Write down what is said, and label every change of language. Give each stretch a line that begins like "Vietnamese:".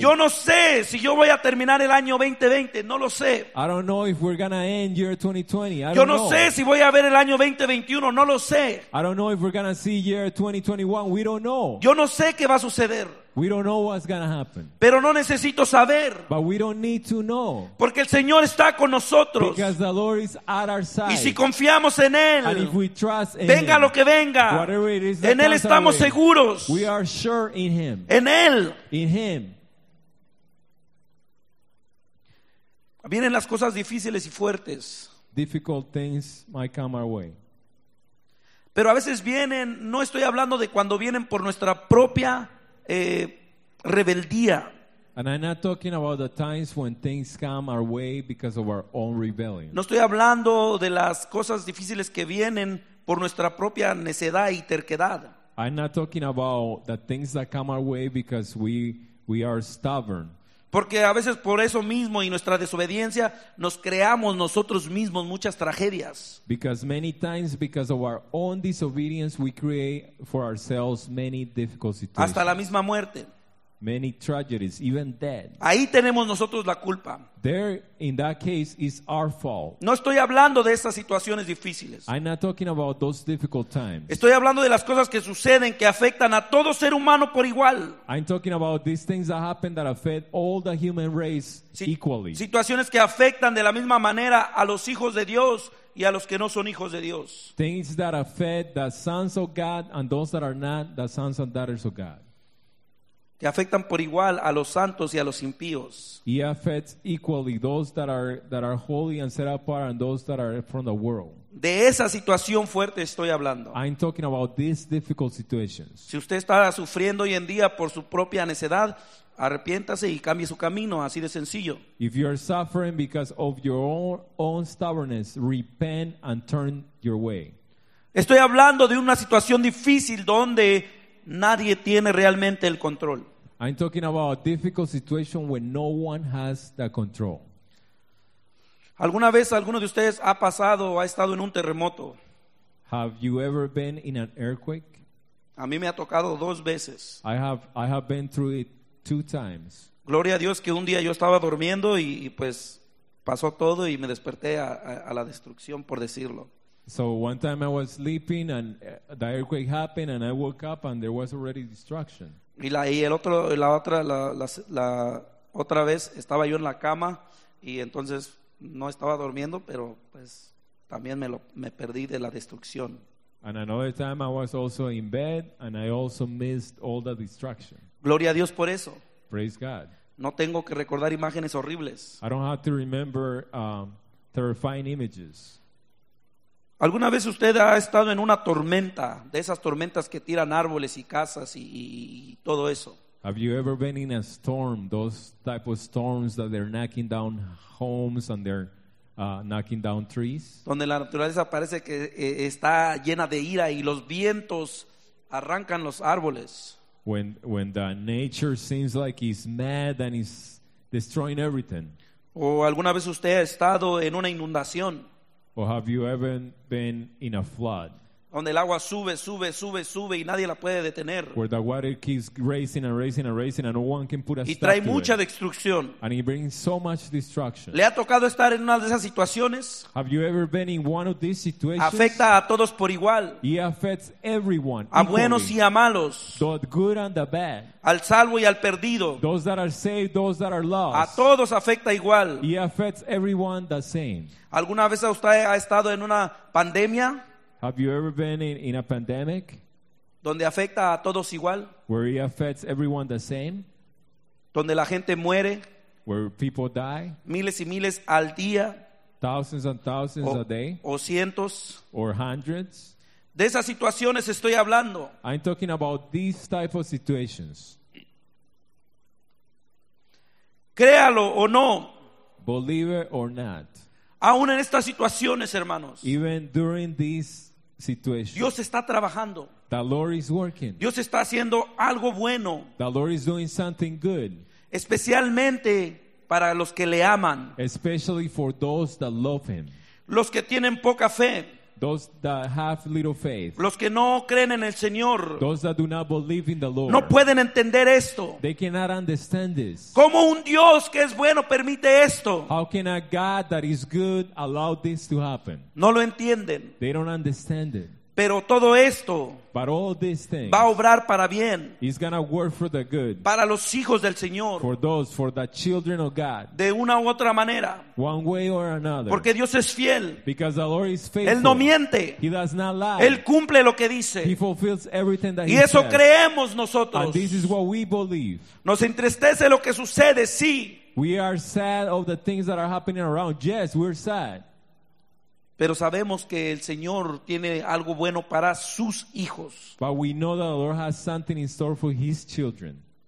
Spanish: Yo no sé si yo voy a terminar el año 2020. No lo sé.
English: I don't know if we're gonna end year 2020. I don't
Spanish: yo no
English: know.
Spanish: Sé si voy a ver el año 2021. No lo sé.
English: I don't know if we're gonna see year 2021. We don't know.
Spanish: Yo no sé qué va a suceder.
English: We don't know what's going to happen.
Spanish: Pero no necesito saber.
English: But we don't need to know.
Spanish: Porque el Señor está con nosotros.
English: Because the Lord is at our side.
Spanish: Y si confiamos en Él.
English: And if we trust in
Spanish: venga
English: Him.
Spanish: Lo que venga.
English: Whatever it is that
Spanish: en Él estamos
English: way,
Spanish: seguros.
English: We are sure in Him.
Spanish: En Él.
English: In Him.
Spanish: Vienen las cosas difíciles y fuertes.
English: Difficult things might come our way.
Spanish: Pero a veces vienen, no estoy hablando de cuando vienen por nuestra propia rebeldía.
English: And I'm not talking about the times when things come our way because of our own rebellion.
Spanish: No estoy hablando de las cosas difíciles que vienen por nuestra propia necedad y terquedad.
English: I'm not talking about the things that come our way because we are stubborn.
Spanish: Porque a veces por eso mismo y nuestra desobediencia nos creamos nosotros mismos muchas tragedias.
English: Because many times because of our own disobedience we create for ourselves many difficult situations.
Spanish: Hasta la misma muerte.
English: Many tragedies, even death.
Spanish: Ahí tenemos nosotros la culpa.
English: There, in that case, is our fault.
Spanish: No estoy hablando de esas situaciones difíciles.
English: I'm not talking about those difficult times.
Spanish: Estoy hablando de las cosas que suceden que afectan a todo ser humano por igual.
English: I'm talking about these things that happen that affect all the human race equally.
Spanish: Situaciones que afectan de la misma manera a los hijos de Dios y a los que no son hijos de Dios.
English: Things that affect the sons of God and those that are not the sons and daughters of God.
Spanish: Que afectan por igual a los santos y a los impíos.
English: He affects equally those that are holy and set apart and those that are from the world.
Spanish: De esa situación fuerte estoy hablando.
English: I'm talking about these difficult situations.
Spanish: Si usted está sufriendo hoy en día por su propia necedad, arrepiéntase y cambie su camino, así de sencillo.
English: If you are suffering because of your own stubbornness, repent and turn your way.
Spanish: Estoy hablando de una situación difícil donde nadie tiene realmente el control.
English: I'm talking about a difficult situation when no one has the control.
Spanish: ¿Alguna vez alguno de ustedes ha pasado o ha estado en un terremoto?
English: Have you ever been in an earthquake?
Spanish: A mí me ha tocado dos veces.
English: I have been through it two times.
Spanish: Gloria a Dios que un día yo estaba durmiendo y pues pasó todo y me desperté a la destrucción, por decirlo.
English: So one time I was sleeping and the earthquake happened and I woke up and there was already destruction.
Spanish: Y la otra vez estaba yo en la cama y entonces no estaba durmiendo, pero pues también me perdí de la destrucción.
English: And another time I was also in bed and I also missed all the destruction.
Spanish: Gloria a Dios por eso.
English: Praise God.
Spanish: No tengo que recordar imágenes horribles.
English: I don't have to remember terrifying images.
Spanish: ¿Alguna vez usted ha estado en una tormenta, de esas tormentas que tiran árboles y casas y todo eso?
English: Have you ever been in a storm, those type of storms that they're knocking down homes and they're knocking down trees?
Spanish: Donde la naturaleza parece que está llena de ira y los vientos arrancan los árboles.
English: When the nature seems like it's mad and it's destroying everything.
Spanish: ¿O alguna vez usted ha estado en una inundación?
English: Or have you ever been in a flood?
Spanish: Donde el agua sube y nadie la puede detener.
English: Where the water keeps racing and no one can put a
Spanish: y
English: stop to it.
Spanish: Y trae mucha destrucción.
English: And it brings so much destruction.
Spanish: ¿Le ha tocado estar en una de esas situaciones?
English: Have you ever been in one of these situations?
Spanish: Afecta a todos por igual.
English: It affects everyone.
Spanish: A buenos y a malos.
English: The good and the bad.
Spanish: Al salvo y al perdido.
English: Those that are saved, those that are lost.
Spanish: A todos afecta igual.
English: It affects everyone the same.
Spanish: ¿Alguna vez usted ha estado en una pandemia?
English: Have you ever been in a pandemic?
Spanish: Donde afecta a todos igual.
English: Where it affects everyone the same.
Spanish: Donde la gente muere.
English: Where people die.
Spanish: Miles y miles al día.
English: Thousands and thousands a day.
Spanish: O cientos.
English: Or hundreds.
Spanish: De esas situaciones estoy hablando.
English: I'm talking about these type of situations.
Spanish: Créalo o no.
English: Believe it or not.
Spanish: Aún en estas situaciones, hermanos.
English: Even during these situations.
Spanish: Dios está trabajando.
English: The Lord is working.
Spanish: Dios está haciendo algo bueno.
English: The Lord is doing something good.
Spanish: Especialmente para los que le aman.
English: Especially for those that love him.
Spanish: Los que tienen poca fe.
English: Those that have little faith.
Spanish: Los que no creen en el Señor.
English: Those that do not believe in the Lord.
Spanish: No pueden entender esto.
English: They cannot understand this.
Spanish: ¿Cómo un Dios que es bueno permite esto?
English: How can a God that is good allow this to happen?
Spanish: No lo entienden.
English: They don't understand it.
Spanish: Pero todo esto.
English: But all these things.
Spanish: Va a obrar para bien.
English: It's gonna work for the good.
Spanish: Para los hijos del Señor.
English: For those, for the children of God.
Spanish: De una u otra manera.
English: One way or another.
Spanish: Porque Dios es fiel.
English: Because the Lord is faithful.
Spanish: Él no miente.
English: He does not lie.
Spanish: Él cumple lo que dice.
English: He fulfills everything that
Spanish: y
English: he
Spanish: eso
English: says.
Spanish: Creemos nosotros.
English: And this is what we believe.
Spanish: Nos entristece lo que sucede, sí.
English: We are sad of the things that are happening around. Yes, we're sad.
Spanish: Pero sabemos que el Señor tiene algo bueno para sus hijos.
English: But we know that the Lord has something in store for his children.